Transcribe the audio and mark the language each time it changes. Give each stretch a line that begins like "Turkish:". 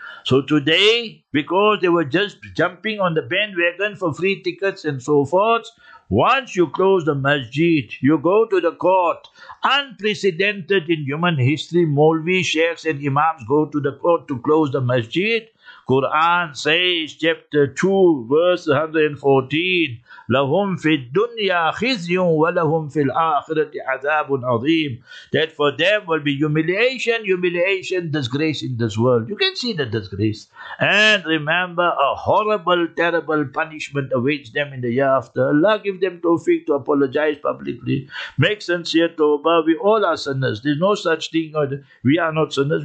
English: So today, because they were just jumping on the bandwagon for free tickets and so forth, once you close the masjid, you go to the court, unprecedented in human history, Maulvi, sheikhs and imams go to the court to close the masjid.
Arabic: Quran says, chapter 2, verse 114, لَهُمْ فِي الدُّنْيَا خِزْيٌ وَلَهُمْ فِي الْآخِرَةِ عَذَابٌ عَظِيمٌ.
English: That for them will be humiliation, disgrace in this world. You can see the disgrace. And remember, a horrible, terrible punishment awaits them in the year after. Allah give them tawfiq to apologize publicly. Make sincere tawbah. We all are sinners. There's no such thing. We are not sinners.